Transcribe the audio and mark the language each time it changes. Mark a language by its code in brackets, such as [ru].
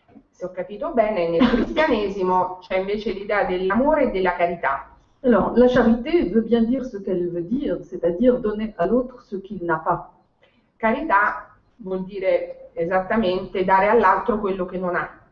[it] Se ho capito bene, nel cristianesimo c'è invece l'idea dell'amore e della carità. [fr] Alors, la charité veut bien dire ce qu'elle veut dire, c'est-à-dire donner à l'autre ce qu'il n'a pas. [it] Carità vuol dire esattamente dare all'altro quello che non ha.